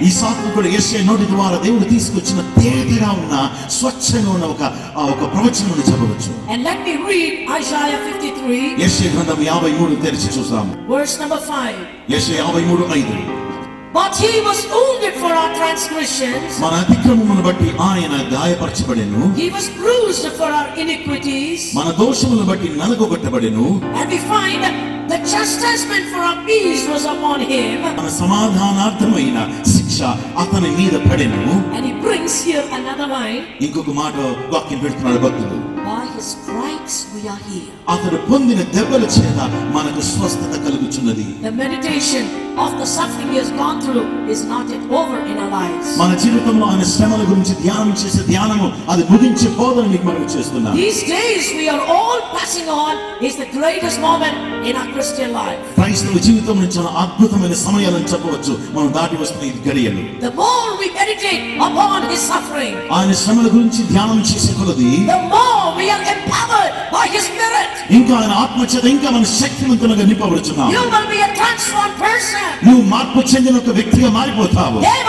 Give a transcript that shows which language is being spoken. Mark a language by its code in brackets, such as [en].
[te] Ee saathukulu Isaiah noti dwara devudu teesukochina teedaga unna swachcha ఒక ప్రవచనం చెప్పవచ్చు. [en] And let me read Isaiah 53. [te] యెషయా గ్రంథం 53 తెరిచి చూసాము. [en] Verse number 5. [te] యెషయా 53:5. [en] But he was wounded for our transgressions. [te] మన అతిక్రమమును బట్టి ఆయన గాయపరచబడెను. [en] He was bruised for our iniquities. [te] మన దోషమును బట్టి నలగొట్టబడెను. [en] And we find the chastisement for our peace was upon him. [te] మన సమాధానార్థమైన శిక్ష అతని మీద పడెను. [en] And he brings here another line. [te] ఇంకొక మాట వాక్యం పెడుతున్నాడు భక్తుడు. [en] By his stripes we are healed. [te] అతడు పొందిన దెబ్బల చేత మనకు స్వస్థత కలుగుచున్నది. [en] The meditation of the suffering he has gone through is not yet over in our lives. [te] మన జీవితంలో ఆయన శ్రమల గురించి ధ్యానం చేసే ధ్యానము అది ముగించే పోదని మీకు మనం చేస్తున్నాం. [en] These days we are all passing on is the greatest moment in our Christian life. [te] క్రైస్తవ జీవితం నుంచి అద్భుతమైన సమయాలను చెప్పవచ్చు మనం దాటి వస్తున్న ఈ గడియలు. [en] The more we meditate upon his suffering, [te] ఆయన శ్రమల గురించి ధ్యానం చేసే కొలది, [en] the more we are empowered by his spirit. [te] ఇంకా ఆయన ఆత్మ చేత ఇంకా మన శక్తివంతంగా నింపబడుతున్నాం. [en] You will be a transformed person. [te] నువ్వు మార్పు చెందిన ఒక వ్యక్తిగా మారిపోతావు.